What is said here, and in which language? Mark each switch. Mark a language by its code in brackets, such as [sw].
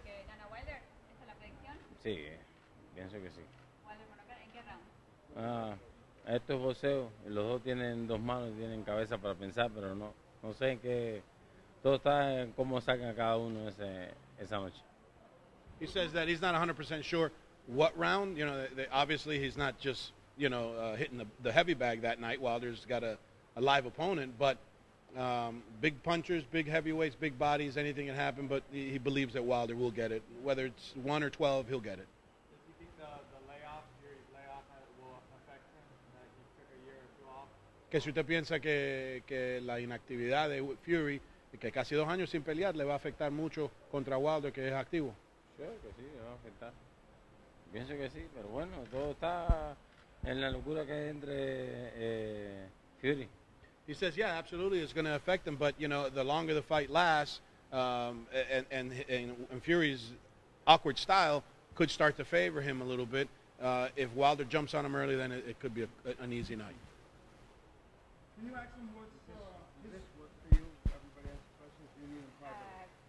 [es] ¿Estás seguro de que gana Wilder? ¿Esa es la predicción? Sí, pienso que sí. ¿Wilder monocara? ¿En qué round? Esto es boxeo. Los dos tienen dos manos y tienen cabeza para pensar, pero no sé en qué. Todo está en cómo sacan cada uno esa noche. [en] He says that he's not 100% sure. What round? You know, obviously he's not just, you know, hitting the heavy bag that night. Wilder's got a live opponent, but big punchers, big heavyweights, big bodies, anything can happen, but he believes that Wilder will get it. Whether it's 1 or 12, he'll get it. Does he think the layoff, Fury's layoff, will affect him, that he took a year or two off? [es] Que si usted piensa que la inactividad de Fury, que casi dos años sin pelear, le va a afectar mucho contra Wilder, que es activo. Sure, que sí, le va a afectar. Pienso que sí, pero bueno, todo está en la locura que hay entre Fury. [en] He says, yeah, absolutely, it's going to affect him, but, you know, the longer the fight lasts, and Fury's awkward style could start to favor him a little bit. If Wilder jumps on him early, then it could be an easy night. Can you ask him what's this work for you? Everybody has questions for you in private.